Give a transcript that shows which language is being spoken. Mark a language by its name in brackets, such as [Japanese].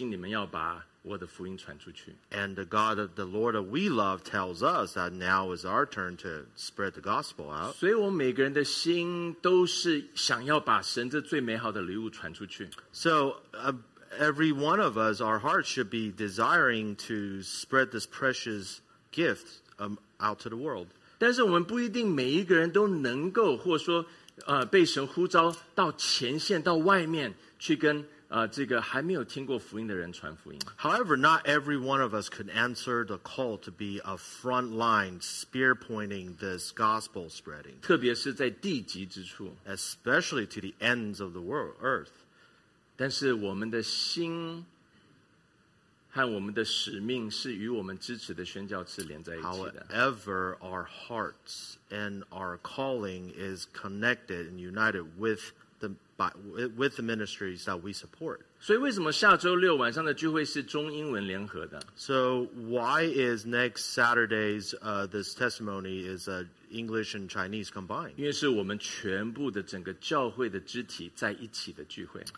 [Chinese] 那我们所爱的主告诉我们，如今你们要把我的福音传出去。 [English] And the God, the Lord that we love, tells us that now is our turn to spread the gospel out. [Chinese] 所以我们每个人的心都是想要把神这最美好的礼物传出去。 [English] So, every one of us, our hearts should be desiring to spread this precious gift out to the world. [Chinese] 但是我们不一定每一个人都能够或者说, 被神呼召到前线到外面去跟, 这个还没有听过福音的人传福音。 [English] However, not every one of us could answer the call to be a front line spear pointing this gospel spreading. [Chinese] 特别是在地极之处, [English] especially to the ends of the world, earth. [Chinese] 但是我们的心 和我们的使命是与我们支持的宣教士连在一起的。 [English] However, our hearts and our calling is connected and united with the ministries that we support. [Chinese] 所以为什么下周六晚上的聚会是中英文联合的? [English] So why is next Saturday's this testimony is English and Chinese combined? [Chinese] 因为是我们全部的整个教会的肢体在一起的聚会。